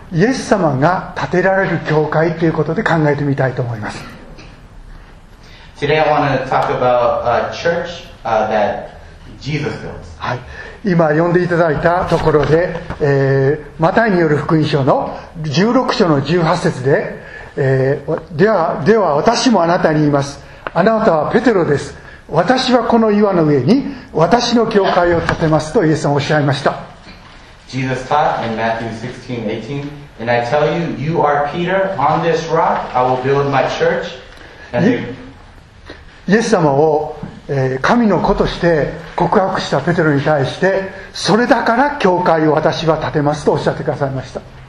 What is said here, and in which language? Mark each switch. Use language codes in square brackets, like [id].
[ja] イエス様が建てられる教会ということで考えてみたいと思います。 [en] Today I want to talk about a church that Jesus built. [ja] はい、今読んでいただいたところで、マタイによる福音書の16章の18節で、では私もあなたに言います。あなたはペテロです。私はこの岩の上に私の教会を建てますとイエス様おっしゃいました。 [en] Jesus taught in Matthew 16:18, and I tell you, you are Peter. On this rock, I will build my church. And [ja] イエス様を、神の子として告白したペテロに対して、それだから教会を私は建てますとおっしゃってくださいました。